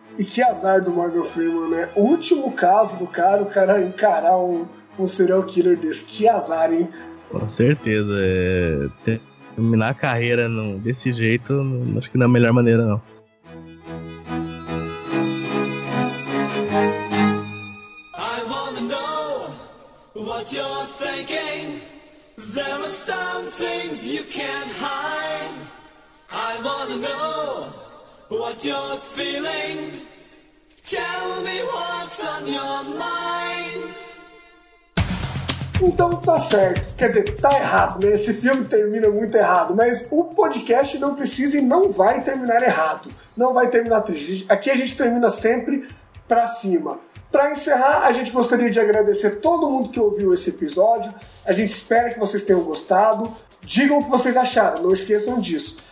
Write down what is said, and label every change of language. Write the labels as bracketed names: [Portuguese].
[Portuguese] E que azar do Morgan Freeman, né? O último caso do cara, o cara encarar um serial killer desse, que azar, hein? Com certeza, terminar a carreira desse jeito, acho que não é a melhor maneira, não. [English] I wanna know what you're thinking. There are some things you can't hide. I wanna know what you're feeling. Tell me what's on your mind. [Portuguese] Então tá certo, quer dizer, tá errado, né? Esse filme termina muito errado, mas o podcast não precisa e não vai terminar errado, não vai terminar triste. Aqui a gente termina sempre pra cima. Pra encerrar, a gente gostaria de agradecer todo mundo que ouviu esse episódio, a gente espera que vocês tenham gostado, digam o que vocês acharam, não esqueçam disso.